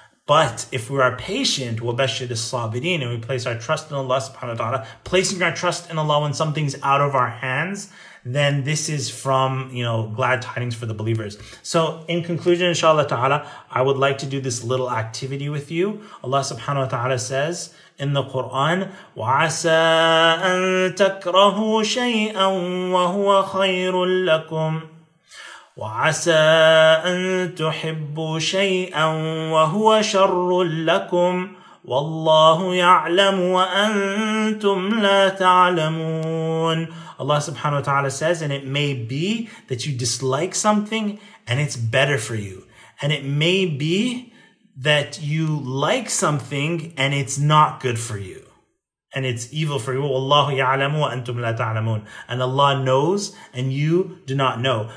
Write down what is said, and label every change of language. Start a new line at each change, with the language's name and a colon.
English: But if we are patient,
Arabic: وَبَشِّرِ الصَّابِرِينَ,
English: and we place our trust in Allah subhanahu wa ta'ala, placing our trust in Allah when something's out of our hands, then this is from, you know, glad tidings for the believers. So in conclusion, inshallah ta'ala, I would like to do this little activity with you. Allah subhanahu wa ta'ala says in the Quran,
Arabic: وَعَسَىٰ أَن تَكْرَهُوا شَيْئًا وَهُوَ خَيْرٌ لَكُمْ وَعَسَىٰ أَن تُحِبُّوا شَيْئًا وَهُوَ شَرٌّ لَكُمْ والله يعلم وأنتم لا تعلمون.
English: Allah subhanahu wa ta'ala says, and it may be that you dislike something and it's better for you. And it may be that you like something and it's not good for you. And it's evil for you.
Arabic: Wallahu ya'lamu wa antum la ta'lamun.
English: And Allah knows and you do not know.